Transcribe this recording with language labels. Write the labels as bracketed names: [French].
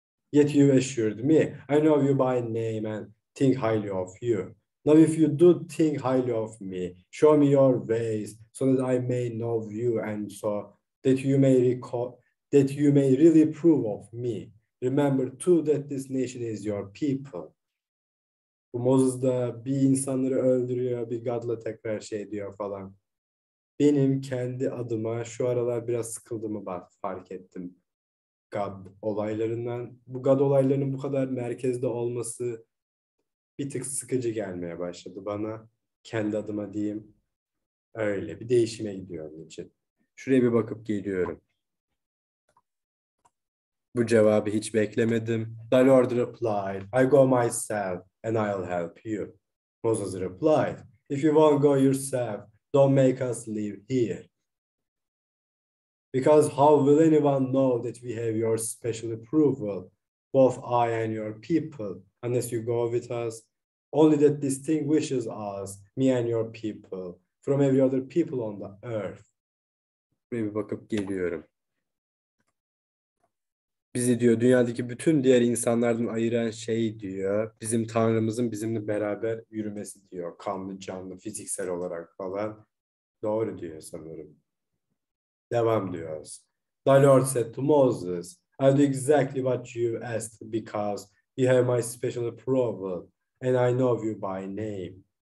[English] Yet you assured me, I know you by name and think highly of you. Now if you do think highly of me, show me your ways so that I may know you and so that you may really prove of me. Remember too that this nation is your people. [Turkish] Bu Moses da bir insanları öldürüyor, bir God'la tekrar şey diyor falan. Benim kendi adıma şu aralar biraz sıkıldığımı fark ettim. God olaylarından, bu God olaylarının bu kadar merkezde olması bir tık sıkıcı gelmeye başladı bana. Kendi adıma diyeyim. Öyle bir değişime gidiyor onun için. Şuraya bir bakıp geliyorum. Bu cevabı hiç beklemedim. [English] The Lord replied, I go myself and I'll help you. Moses replied, if you won't go yourself, don't make us live here. Because how will anyone know that we have your special approval, both I and your people, unless you go with us? Only that distinguishes us, me and your people, from every other people on the earth. [Turkish] Buraya bir bakıp geliyorum. Bizi diyor, dünyadaki bütün diğer insanlardan ayıran şey diyor, bizim Tanrımızın bizimle beraber yürümesi diyor, kanlı, canlı, fiziksel olarak falan. Doğru diyor sanırım. Devam diyoruz. [English] The Lord said to Moses, I'll do exactly what you asked because you have my special approval and I know you by name.